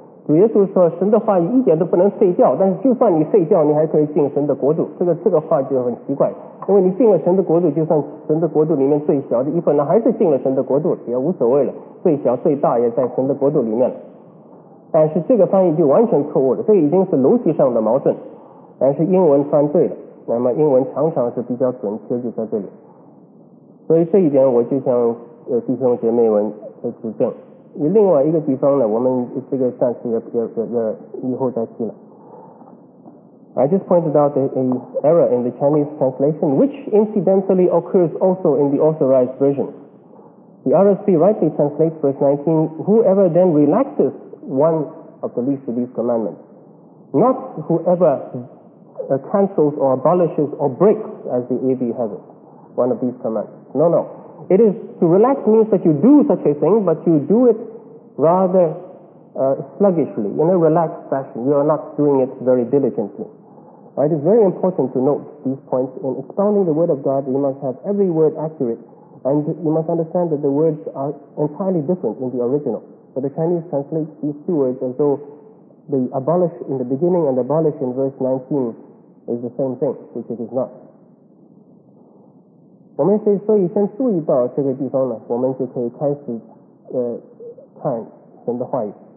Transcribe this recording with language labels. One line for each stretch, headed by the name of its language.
Chinese: 主耶稣说神的话一点都不能废掉，但是就算你废掉你还可以进神的国度，这个话就很奇怪，因为你进了神的国度，就算神的国度里面最小的一份，那还是进了神的国度，也无所谓了，最小最大也在神的国度里面了。但是这个翻译就完全错误了，这已经是逻辑上的矛盾，但是英文翻对了，那么英文常常是比较准确，就在这里。所以这一点我就向弟兄姐妹们指正。另外一个地方呢，我们这个暂时也以后再提了。
English: I just pointed out an error in the Chinese translation which incidentally occurs also in the authorized version. The RSV rightly translates verse 19, whoever then relaxes one of the least of these commandments, not whoever cancels or abolishes or breaks, as the AB has it, one of these commands. No, it is to relax means that you do such a thing, but you do it rather sluggishly, in a relaxed fashion. You are not doing it very diligently. Right? It is very important to note these points. In expounding the word of God, you must have every word accurate, and you must understand that the words are entirely different in the original. But the Chinese translates these two words as though the abolish in the beginning and abolish in verse 19 is the same thing, which it is not.
Chinese: 我们所以先注意到这个地方呢，我们就可以开始看神的话语。